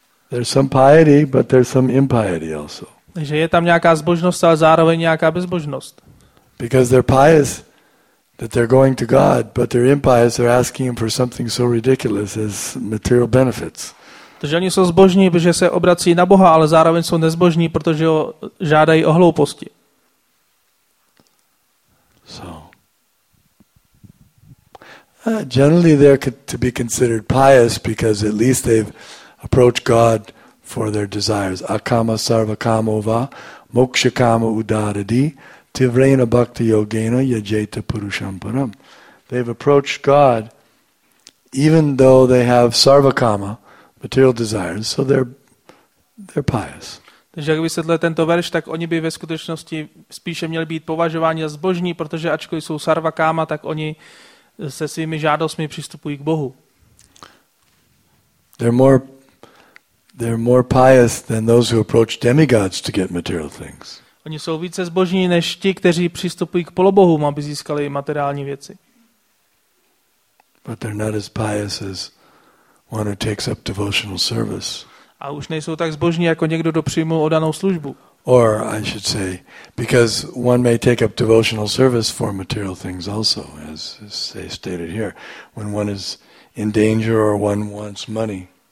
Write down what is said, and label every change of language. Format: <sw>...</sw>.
<en>There's some piety, but there's some impiety also.</en> <cs>Takže je tam nějaká zbožnost, ale zároveň nějaká bezbožnost.</cs> <en>Because they're pious that they're going to God, but they're impious, they're asking him for something so ridiculous as material benefits.</en> <cs>Takže oni jsou zbožní, protože se obrací na Boha, ale zároveň jsou nezbožní, protože ho žádají o hlouposti.</cs> <en>So. Generally they're to be considered pious because at least they've approach God for their desires.</en> <sa>Akama sarva kamova moksha kama udaradi tivrena bhakti yogena yajeta purusham param.</sa> <en>They've approached God even though they have sarva kama, material desires, so they're pious.</en> <cs>Takže jak vysvětlil tento verš, tak oni by ve skutečnosti spíše měli být považováni za zbožní, protože ačkoliv jsou sarva kama, tak oni se svými žádostmi přistupují k Bohu.</cs> <en>They're more pious than those who approach demigods to get material things.</en> <cs>Oni jsou více zbožní než ti, kteří přistupují k polobohům, aby získali materiální věci.</cs> <en>But they're not as pious as one who takes up devotional service.</en> <cs>A už nejsou tak zbožní jako někdo, kdo přijmul odanou službu.</cs> <en>Or I should say, because one may take up devotional service for material things also, as they stated here, when one is in danger or one wants money.</en>